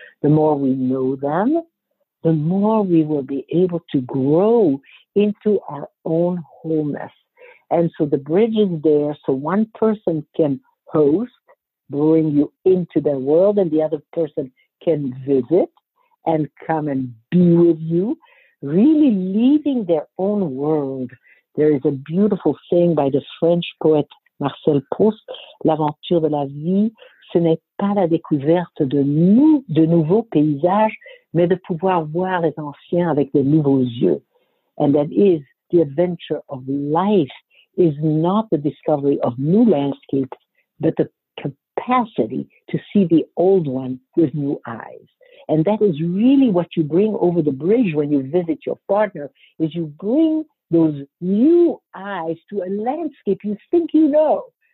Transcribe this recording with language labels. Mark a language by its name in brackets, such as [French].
[English] The more we know them, the more we will be able to grow into our own wholeness. And so the bridge is there so one person can host, bring you into their world, and the other person can visit and come and be with you, really leaving their own world. There is a beautiful saying by the French poet Marcel Proust, [French] l'aventure de la vie, ce n'est pas la découverte de nouveaux paysages, mais de pouvoir voir les anciens avec de nouveaux yeux. [English] And that is the adventure of life. Is not the discovery of new landscapes, but the capacity to see the old one with new eyes. And that is really what you bring over the bridge when you visit your partner, is you bring those new eyes to a landscape you think you know.